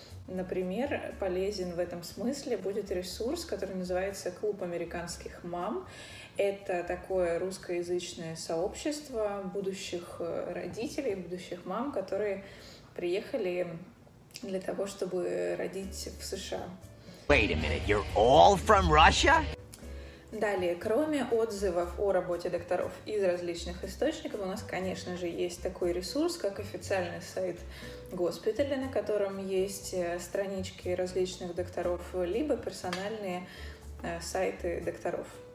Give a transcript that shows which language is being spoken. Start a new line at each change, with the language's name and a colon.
Russian: Например, полезен в этом смысле будет ресурс, который называется «Клуб американских мам». Это такое русскоязычное сообщество будущих родителей, будущих мам, которые приехали для того, чтобы родить в США.
English: Wait a minute, you're all from Russia?
Russian: Далее, кроме отзывов о работе докторов из различных источников, у нас, конечно же, есть такой ресурс, как официальный сайт госпиталя, на котором есть странички различных докторов, либо персональные сайты докторов.